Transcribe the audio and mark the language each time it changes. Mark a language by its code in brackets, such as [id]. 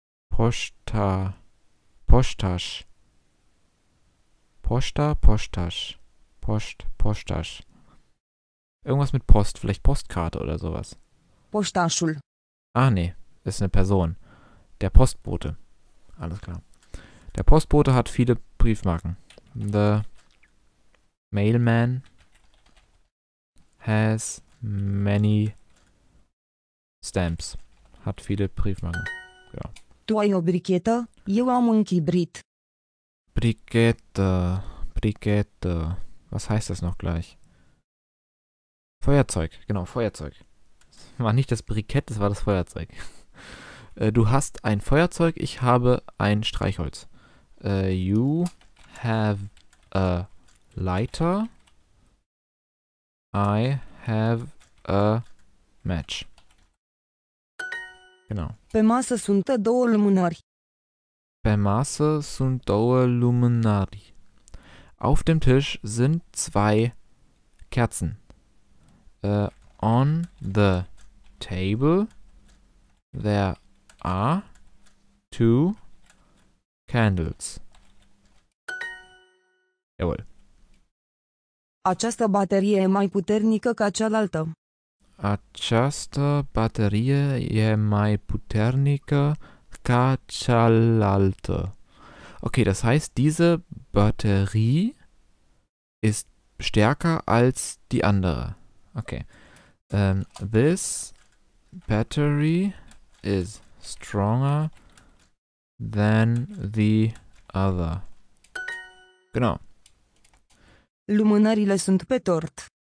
[ro] Posta. Postasch. Posta, Postasch. Post, Postasch. [de] Irgendwas mit Post, vielleicht Postkarte oder sowas. [ro] Postaschul. [de] Ah, nee, ist eine Person. Der Postbote. Alles klar. Der Postbote hat viele Briefmarken. [en] The mailman has many stamps. [de] Hat viele Briefmarken. Ja. [ro] Tu ai o brichetă? Eu am un chibrit. Brichetă. Brichetă. [de] Was heißt das noch gleich? Feuerzeug. Genau, Feuerzeug. Das war nicht das Brikett, das war das Feuerzeug. Du hast ein Feuerzeug, ich habe ein Streichholz. [en] You have a lighter. I have a match. [de] Genau. [ro] Pe masă sunt două lumânări. Pe masă sunt două lumânări. [de] Auf dem Tisch sind zwei Kerzen. [en] On the table there are two candles. [de] Jawohl. [ro] Această baterie e mai puternică ca cealaltă. Această baterie e mai puternică ca cealaltă. [de] Okay, das heißt, diese Batterie ist stärker als die andere. Okay. [en] This battery is stronger than the other. [de] Genau. [ro] Lumânările sunt pe tort.